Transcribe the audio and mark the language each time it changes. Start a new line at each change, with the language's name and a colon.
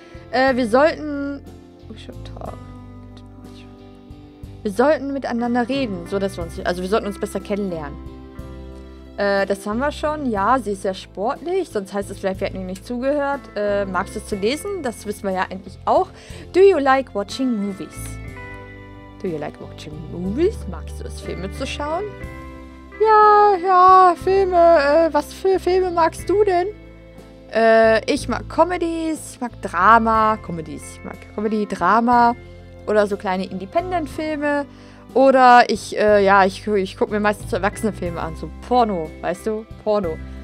German: Wir sollten...
English: We should talk.
German: Wir sollten miteinander reden, so dass wir uns... Also wir sollten uns besser kennenlernen. Das haben wir schon. Ja, sie ist sehr sportlich. Sonst heißt es vielleicht, wir hätten ihr nicht zugehört. Magst du es zu lesen? Das wissen wir ja eigentlich auch.
English: Do you like watching movies? Do you like watching movies?
German: Magst du es, Filme zu schauen? Ja, ja, Filme. Was für Filme magst du denn? Ich mag Comedies. Ich mag Drama. Comedies. Ich mag Comedy, Drama. Oder so kleine Independent-Filme. Oder ich gucke mir meistens Erwachsenenfilme an, so Porno, weißt du? Porno.